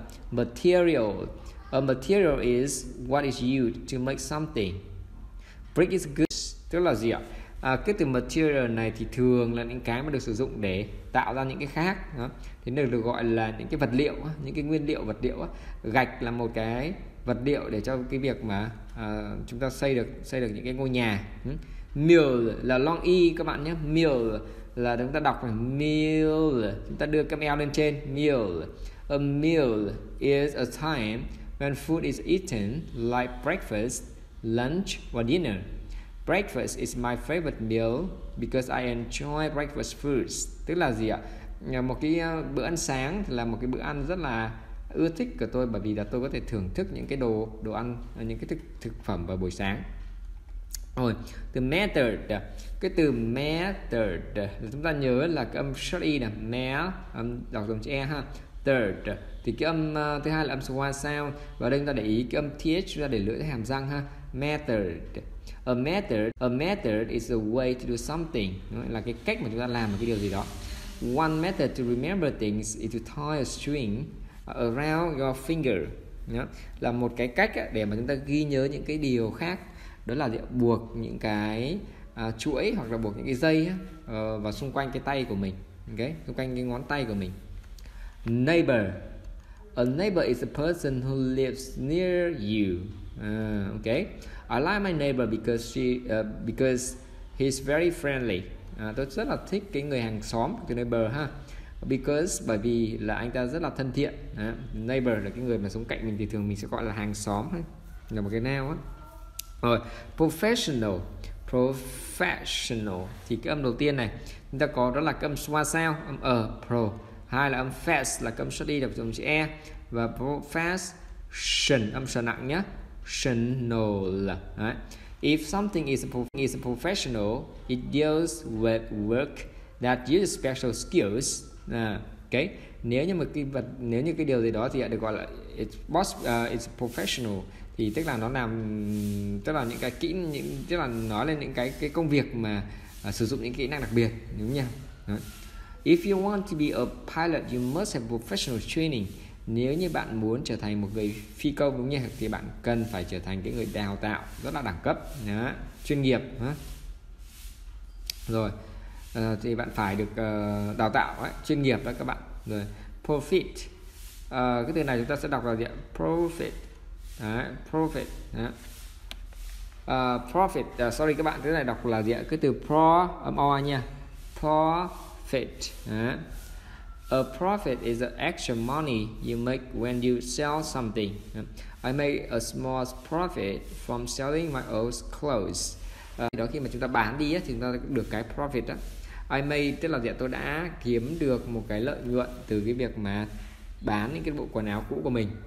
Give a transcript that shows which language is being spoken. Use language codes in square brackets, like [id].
[en] Material, a material is what is used to make something. Brick is good. [vi] Tức là gì ạ? Cái từ material này thì thường là những cái mà được sử dụng để tạo ra những cái khác. Thế nên được gọi là những cái vật liệu, những cái nguyên liệu vật liệu. Gạch là một cái vật liệu để cho cái việc mà chúng ta xây được những cái ngôi nhà. Mill là long y các bạn nhé. Mill là chúng ta đọc là mill, chúng ta đưa cái L lên trên. [en] Mill, a meal is a time when food is eaten like breakfast, lunch or dinner. Breakfast is my favorite meal because I enjoy breakfast foods. [vi] Tức là gì ạ? Một cái bữa ăn sáng là một cái bữa ăn rất là ưa thích của tôi, bởi vì là tôi có thể thưởng thức những cái đồ ăn, những cái thực phẩm vào buổi sáng. Rồi, từ method, cái từ method chúng ta nhớ là cái âm short y nè, mé âm đọc giống chữ e ha. Third thì cái âm thứ hai là âm schwa sound, và đây chúng ta để ý cái âm th ra để lưỡi hàm răng ha. [en] Method, a method is a way to do something, [vi] là cái cách mà chúng ta làm một cái điều gì đó. [en] One method to remember things is to tie a string around your finger. [vi] Là một cái cách để mà chúng ta ghi nhớ những cái điều khác, đó là buộc những cái chuỗi hoặc là buộc những cái dây vào xung quanh cái tay của mình, okay? Xung quanh cái ngón tay của mình. [en] Neighbor, a neighbor is a person who lives near you. Okay. I like my neighbor because because he's very friendly. [vi] Tôi rất là thích cái người hàng xóm, cái neighbor ha. Because, bởi vì là anh ta rất là thân thiện. Neighbor là cái người mà sống cạnh mình thì thường mình sẽ gọi là hàng xóm ha. Là một cái nào á. Rồi, professional. Professional thì cái âm đầu tiên này chúng ta có đó là cái âm schwa sao, âm ờ, pro. Hai là âm fast là cái âm short y đọc giống chữ e, và profession âm sờ nặng nhé. [en] Professional. If something is a professional, it deals with work that uses special skills. Okay. [vi] Nếu như một cái vật, nếu như cái điều gì đó thì được gọi là [en] it's professional. [vi] Thì tức là nó làm, tức là những cái kỹ, những tức là nói lên những cái công việc mà sử dụng những kỹ năng đặc biệt, đúng không nhỉ? [en] If you want to be a pilot, you must have professional training. [vi] Nếu như bạn muốn trở thành một người phi công, đúng không nhỉ, thì bạn cần phải trở thành cái người đào tạo rất là đẳng cấp, đó, chuyên nghiệp. Đó. Rồi, thì bạn phải được đào tạo ấy, chuyên nghiệp đó các bạn. Rồi, profit, cái từ này chúng ta sẽ đọc là gì ạ? Profit, đó. Profit, đó. Profit. Sorry các bạn, cái này đọc là gì ạ? Cái từ pro âm o nha. Profit. [en] A profit is the extra money you make when you sell something. I make a small profit from selling my old clothes. [vi] đó khi mà chúng ta bán đi thì chúng ta được cái profit đó. [en] I made, [vi] tức là gì, tôi đã kiếm được một cái lợi nhuận từ cái việc mà bán những cái bộ quần áo cũ của mình.